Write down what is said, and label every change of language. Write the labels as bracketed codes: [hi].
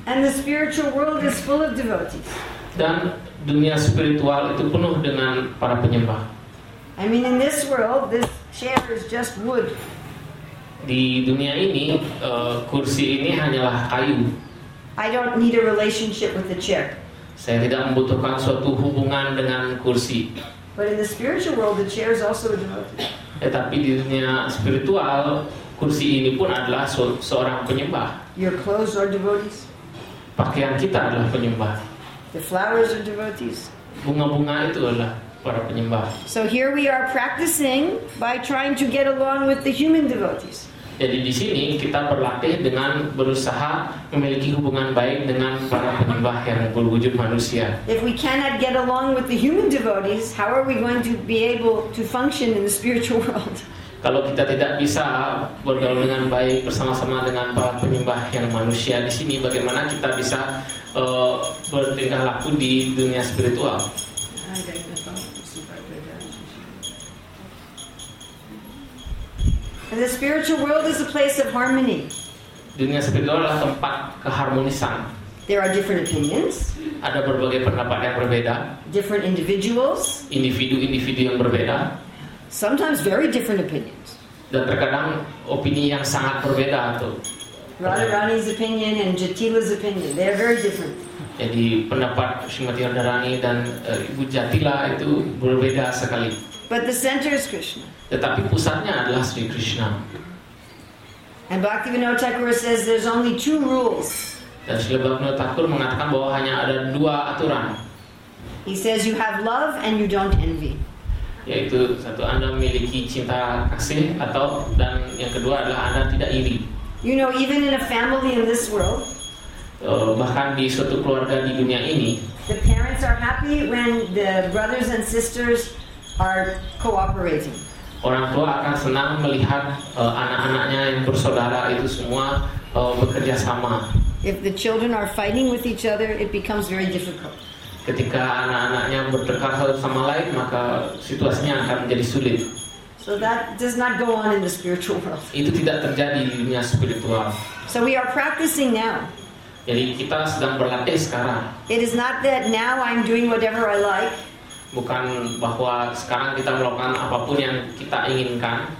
[en] And the spiritual world is full of devotees. [id] Dan dunia spiritual itu penuh dengan para penyembah. [en] I mean in this world this chair is just wood. [id] Di dunia ini kursi ini hanyalah kayu. [en] I don't need a relationship with the chair. [id] Saya tidak membutuhkan suatu hubungan dengan kursi. [en] But in the spiritual world the chair is also a devotee. [id] Tetapi di dunia spiritual kursi ini pun adalah seorang penyembah. [en] Your clothes are devotees. [id] Pakaian kita adalah penyembah. [en] The flowers are devotees. [id] Bunga-bunga itu adalah para penyembah. [en] So here we are practicing by trying to get along with the human devotees. [id] Jadi di sini kita berlatih dengan berusaha memiliki hubungan baik dengan para penyembah yang berwujud manusia. [en] If we cannot get along with the human devotees, how are we going to be able to function in the spiritual world? [id] Kalau kita tidak bisa bergaul dengan baik bersama-sama dengan para penyembah yang manusia di sini, bagaimana kita bisa bertingkah laku di dunia spiritual? [en] And the spiritual world is a place of harmony. [id] Dunia spiritual adalah tempat keharmonisan. [en] There are different opinions. [id] Ada berbagai pendapat yang berbeda. [en] Different individuals. [id] Individu-individu yang berbeda. [en] Sometimes very different opinions. [id] Dan terkadang opini yang sangat berbeda atau. [en] Radharani's opinion and Jatila's opinion. They are very different. [id] Jadi pendapat Srimati Radharani dan Ibu Jatila itu berbeda sekali. [en] But the center is Krishna. [id] Tetapi pusatnya adalah Sri Krishna. [en] And Bhaktivinoda Thakura says there's only two rules. [id] Dan Sri Bhaktivinoda Thakura mengatakan bahwa hanya ada dua aturan. [en] He says you have love and you don't envy. [id] Yaitu satu, Anda memiliki cinta kasih atau, dan yang kedua adalah Anda tidak iri. [en] You know, even in a family in this world, [id] bahkan di suatu keluarga di dunia ini, [en] the parents are happy when the brothers and sisters are cooperating. [id] Orang tua akan senang melihat anak-anaknya yang bersaudara itu semua bekerja sama. [en] If the children are fighting with each other, it becomes very difficult. [id] Ketika anak-anaknya bertengkar satu sama lain, maka situasinya akan menjadi sulit. [en] So that does not go on in the spiritual world. [id] Itu tidak terjadi di dunia spiritual. [en] So we are practicing now. [id] Jadi kita sedang berlatih sekarang. [en] It is not that now I'm doing whatever I like. [id] Bukan bahwa sekarang kita melakukan apapun yang kita inginkan.